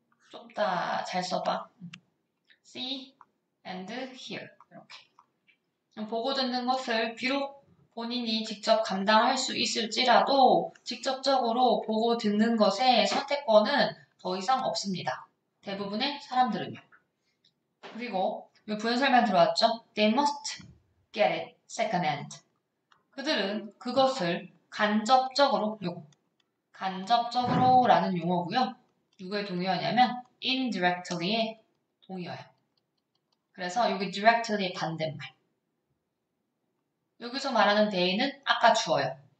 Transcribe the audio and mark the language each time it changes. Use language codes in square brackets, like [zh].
[ko] 좀더잘 써봐. [en] See and hear. [ko] 이렇게. 보고 듣는 것을 비록 본인이 직접 감당할 수 있을지라도 직접적으로 보고 듣는 것의 선택권은 더 이상 없습니다. 대부분의 사람들은요. 그리고 이 부연설만 들어왔죠? [en] They must get it secondhand. [ko] 그들은 그것을 간접적으로 요구. 간접적으로라는 용어고요. 누구의 동의어냐면 indirectly의 동의어예요. 그래서 여기 directly의 반대말. 여기서 말하는 they는 아까 주어요.